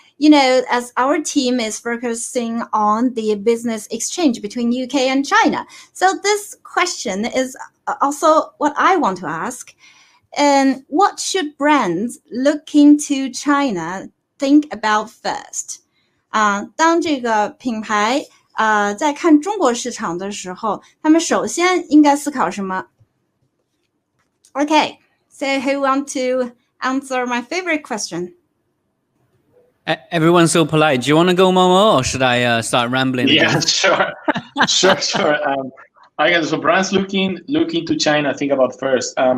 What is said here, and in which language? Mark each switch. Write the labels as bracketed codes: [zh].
[en] You know, as our team is focusing on the business exchange between UK and China. So this question is also what I want to ask. And what should brands looking to China think about first? [zh] 当这个品牌在看中国市场的时候，他们首先应该思考什么？ [en] Okay, so who want to answer my favorite question? Everyone's so polite. Do you want to go, Momo, or should I start rambling? Yeah, sure. I guess so. Brands looking to China, think about first.